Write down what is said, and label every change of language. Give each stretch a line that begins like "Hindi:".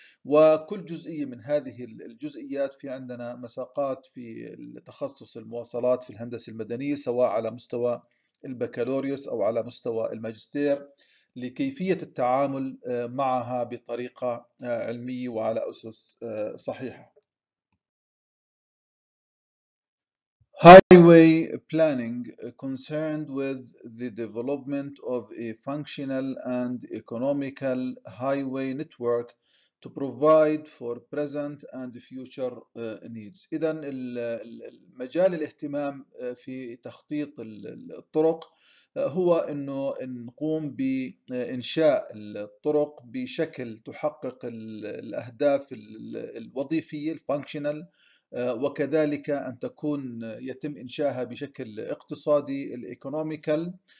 Arabic: وكل جزئية من هذه الجزئيات، في عندنا مساقات في تخصص المواصلات في الهندسة المدنية سواء على مستوى البكالوريوس أو على مستوى الماجستير، لكيفية التعامل معها بطريقة علمية وعلى أسس صحيحة.
English: Highway planning concerned with the development of a functional and economical highway network to provide for present and future needs.
Arabic: إذن المجال الاهتمام في تخطيط الطرق هو أنه نقوم بإنشاء الطرق بشكل تحقق الأهداف الوظيفية الفانكشنال، وكذلك أن تكون يتم إنشائها بشكل اقتصادي الإيكونوميكال،